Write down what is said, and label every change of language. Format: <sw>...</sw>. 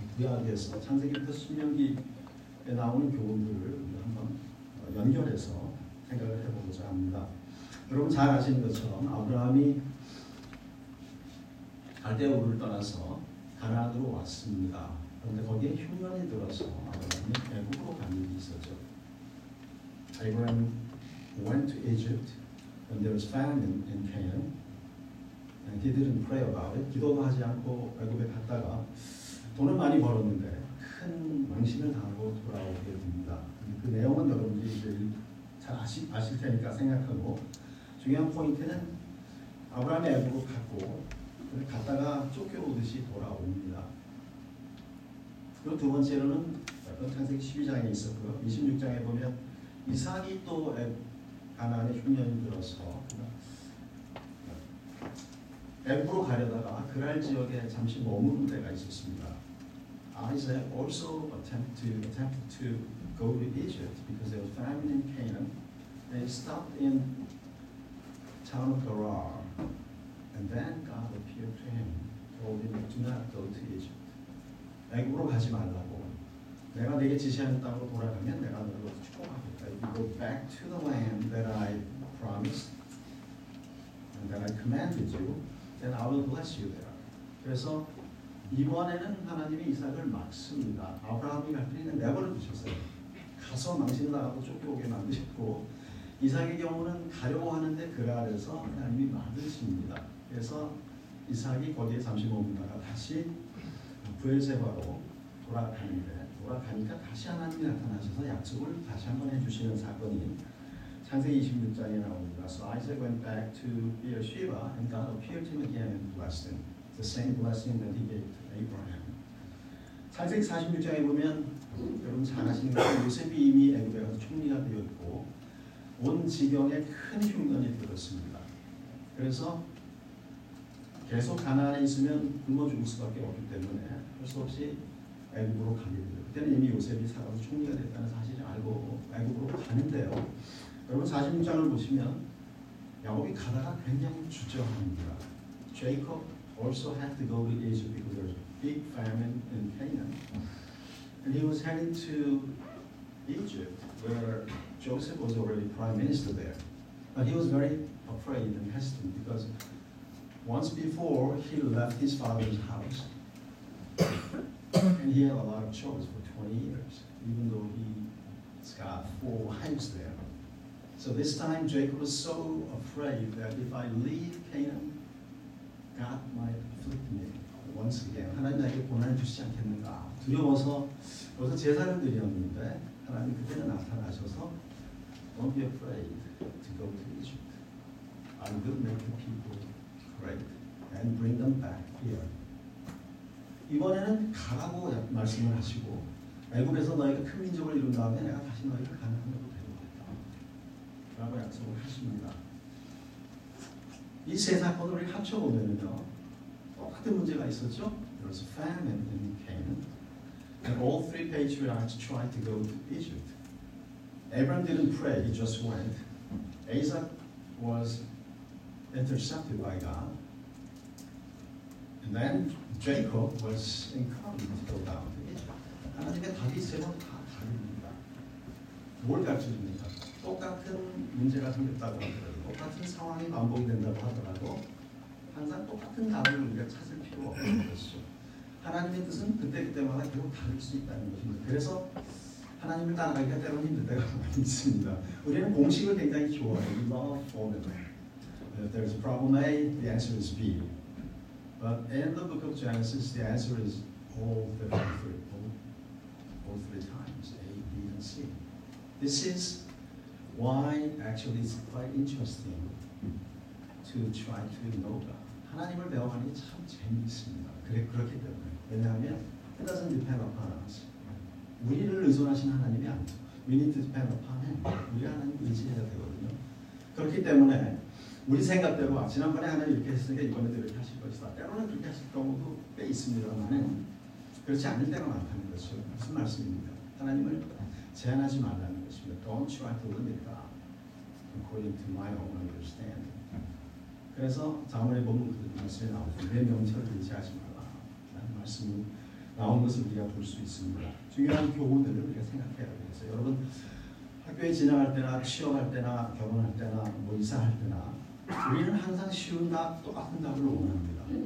<ko>구약에서 창세기부터 신명기에 나오는 교훈들을 한번 연결해서 생각을 해보고자 합니다. 여러분 잘 아시는 것처럼 아브라함이 갈대아우르를 떠나서 가나안으로 왔습니다. 그런데 거기에 흉년이 들어서 아브라함이 애굽으로 간 일이 있었죠.</ko> <en>Abraham went to Egypt when there was famine in Canaan and he didn't pray about it.</en> <ko>기도도 하지 않고 애굽에 갔다가 돈을 많이 벌었는데 큰 망신을 당하고 돌아오게 됩니다. 그 내용은 여러분들이 잘 아실 테니까 생각하고 중요한 포인트는 아브라함이 애굽으로 갔고 갔다가 쫓겨오듯이 돌아옵니다. 그리고 두 번째로는 창세기 12장에 있었고요. 26장에 보면 이삭이 또 가나안의 흉년이 들어서 애굽으로 가려다가 그랄 지역에 잠시 머무는 데가 있었습니다.</ko> <en>Isaac also attempted to go to Egypt because there was famine in Canaan. They stopped in town of Gerar. And then God appeared to him, told him, do not go to Egypt.</en> <ko>애굽으로 가지 말라고. 내가 네게 지시하는 땅으로 돌아가면 내가 너를 축복하겠다.</ko> <en>You go back to the land that I promised and that I commanded you, then I will bless you there.</en> <ko>그래서 이번에는 하나님이 이삭을 막습니다. 아브라함이 갈 때는 내버려 두셨어요. 가서 망신을 당하고 쫓겨오게 만드셨고, 이삭의 경우는 가려고 하는데 그를 아래서 하나님이 만드십니다. 그래서 이삭이 거기에 잠시 머문다가 다시 부엘세바로 돌아가는데, 돌아가니까 다시 하나님이 나타나셔서 약속을 다시 한번 해주시는 사건이 창세기 26장에 나옵니다.</ko> <en>So Isaac went back to Beersheba and God appeared to him again and blessed him. The same blessing that he gave to Abraham.</en> <ko>창세기 46장에 보면 여러분 잘 아시는 것처럼 요셉이 이미 애굽에 가서 총리가 되었고 온 지경에 큰 흉년이 들었습니다. 그래서 계속 가나안에 있으면 굶어 죽을 수밖에 없기 때문에 할 수 없이 애굽으로 가게 돼요. 그때는 이미 요셉이 살아서 총리가 됐다는 사실을 알고 애굽으로 가는데요. 여러분 46장을 보시면 야곱이 가다가 굉장히 주저합니다.</ko> <en>Jacob also had to go to Egypt because there was a big famine in Canaan. And he was heading to Egypt where Joseph was already prime minister there. But he was very afraid and hesitant because once before he left his father's house and he had a lot of chores for 20 years even though he's got four wives there. So this time Jacob was so afraid that if I leave Canaan, God might afflict me once again.</en> <ko>하나님 나에게 고난을 주시지 않겠는가 두려워서 그래서 제사를 드렸는데 하나님 그때는 나타나셔서</ko> <en>Don't be afraid to go to Egypt. I will make the people great and bring them back here.</en> <ko>이번에는 가라고 말씀을 하시고 애굽에서 너희가 큰 민족을 이룬 다음에 내가 다시 너희가 가나안으로 라고 약속을 하십니다. 이 세 사건을 합쳐보면요, 똑같은 문제가 있었죠.</ko> <en>There was a famine in Canaan, and all three patriarchs tried to go to Egypt. Abraham didn't pray; he just went. Isaac was intercepted by God, and then Jacob was encouraged to go down to Egypt.</en> <ko>하나님의 답이 세 번 다 다릅니다. 뭘 가르쳐줍니까? 똑같은 문제가 생겼다고 하더라도 똑같은 상황이 반복된다고 하더라도 항상 똑같은 답을 우리가 찾을 필요 없는 것이죠. 하나님의 뜻은 그때그때마다 계속 다를 수 있다는 것입니다. 그래서 하나님을 따라가기가 때로는 힘들 때가 많이 있습니다. 우리는 공식을 굉장히 좋아해요.</ko> <en>We love formula. If there is a problem A, the answer is B. But in the book of Genesis, the answer is all three times. A, B, and C. This is why actually it's quite interesting to try to know God.</en> <ko>하나님을 배워가는 게 참 재미있습니다. 그렇기 때문에. 왜냐하면</ko> <en>it doesn't depend upon us.</en> <ko>우리를 의존하신 하나님이 아니죠.</ko> <en>We need to depend upon him.</en> <ko>우리 하나님을 의지해야 되거든요. 그렇기 때문에 우리 생각대로 지난번에 하나님 이렇게 했으니까 이번에도 이렇게 하실 것이다. 때로는 그렇게 하실 경우도 꽤 있습니다만은 그렇지 않을 때가 많다는 것이죠. 무슨 말씀입니까? 하나님을 제한하지 말라는 것입니다.</ko> <en>Don't try to limit God according to my own understanding.</en> <ko>그래서 자문에 보면 그 말씀이 나오죠. 내 명철을 의지하지 말라 라는 말씀이 나온 것을 우리가 볼 수 있습니다. 중요한 교훈들을 우리가 생각해야 되겠어요. 여러분 학교에 진학할 때나 취업할 때나 결혼할 때나 뭐 이사할 때나 우리는 항상 쉬운 답, 똑같은 답을 원합니다.</ko>